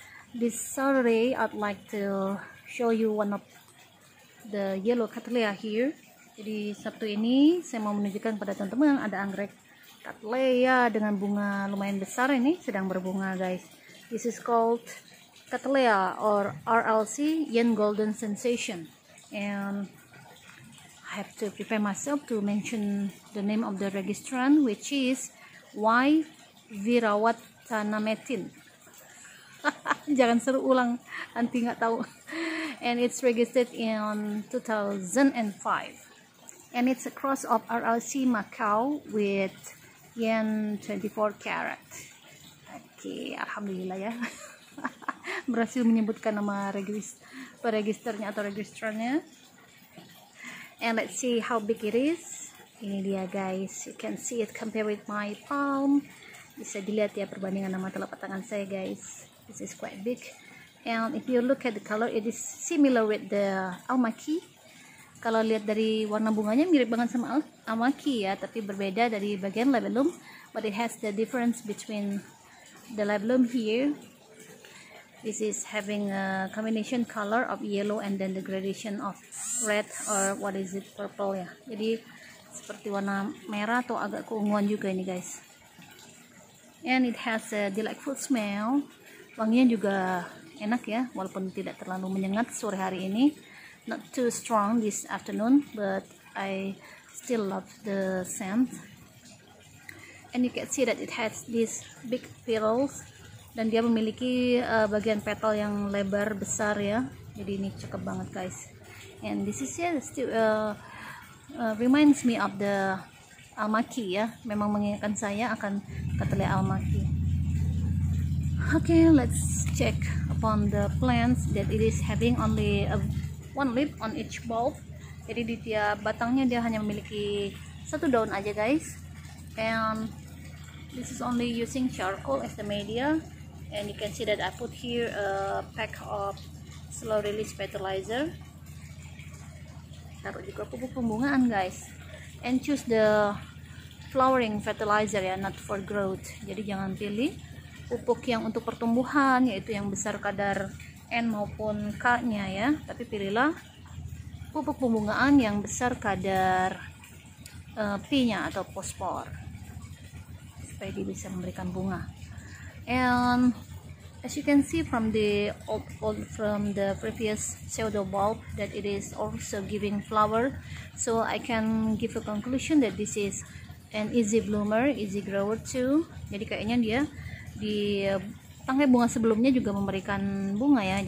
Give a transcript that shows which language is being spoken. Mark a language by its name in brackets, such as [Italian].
[English] This Saturday I'd like to show you one of the yellow cattleya here. [Indonesian] Jadi Sabtu ini saya mau menunjukkan kepada teman-teman ada anggrek cattleya dengan bunga lumayan besar ini sedang berbunga guys. [English] This is called cattleya or RLC Yen Golden Sensation. And I have to prepare myself to mention the name of the registrant, which is Y. [Indonesian] Virawat Tanametin. Jangan seru ulang, nanti nggak tahu. [English] And it's registered in 2005. And it's a cross of RLC Macau with Yen 24 Karat. [Indonesian] Okay, alhamdulillah ya. Berhasil menyebutkan nama registernya atau registrannya. [English] And let's see how big it is. [Indonesian] Ini dia guys, [English] you can see it compared with my palm. [Indonesian] Bisa dilihat ya perbandingan sama telapak tangan saya guys. [English] This is quite big. And if you look at the color, it is similar with the almaki. [Indonesian] Kalau lihat dari warna bunganya mirip banget sama almaki ya, tapi berbeda dari bagian labellum. [English] But it has the difference between the labellum here. This is having a combination color of yellow and then the gradation of red or what is it, purple ya. [Indonesian] Jadi seperti warna merah atau agak keunguan juga ini guys. [English] And it has a delightful smell. [Indonesian] Wanginya juga enak ya, walaupun tidak terlalu menyengat sore hari ini. [English] Not too strong this afternoon, but I still love the scent. And you can see that it has these big petals. [Indonesian] Dan dia memiliki bagian petal yang lebar besar ya, jadi ini cakep banget guys. [English] And this is yeah still reminds me of the almaki ya, [Indonesian] memang mengingatkan saya akan cattleya almaki. [English] Okay, let's check upon the plants that it is having only one leaf on each bulb. [Indonesian] Jadi di tiap batangnya dia hanya memiliki satu daun aja guys. [English] And this is only using charcoal as the media. And you can see that I put here a pack of slow release fertilizer. [Indonesian] Taruh juga pupuk pembungaan guys. [English] And choose the flowering fertilizer ya, not for growth. [Indonesian] Jadi jangan pilih pupuk yang untuk pertumbuhan, yaitu yang besar kadar N maupun K nya ya. Tapi pilihlah pupuk pembungaan yang besar kadar P nya atau fosfor, supaya dia bisa memberikan bunga. [English] And as you can see from the old previous pseudo bulb that it is also giving flower, so I can give a conclusion that this is an easy bloomer, easy grower too. [Indonesian] Jadi kayaknya dia di tangkai bunga sebelumnya juga memberikan bunga ya.